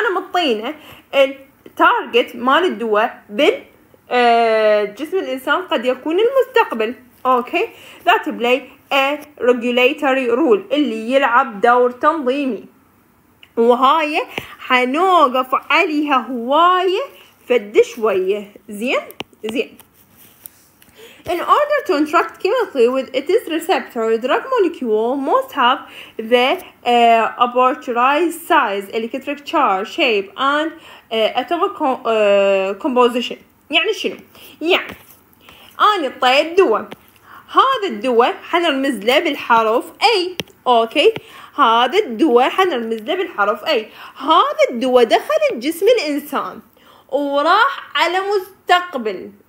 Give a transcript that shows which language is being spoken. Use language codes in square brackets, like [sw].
[ar] أنا مطينة التارجت مال الدواء بالجسم الإنسان قد يكون المستقبل. أوكي، [en] that play a regulatory rule [ar] اللي يلعب دور تنظيمي، وهاي حنوقف عليها هواية فد شوية. [en] زين In order to interact chemically with its receptor, drug molecule must have the apparent size, electric charge, shape and atomic composition. [ar] يعني شنو؟ يعني أنا طيب دواء، هذا الدواء حنرمز له بالحرف A. أوكي، هذا الدواء حنرمز له بالحرف A. هذا الدواء دخل الجسم الإنسان وراح على مستقبل.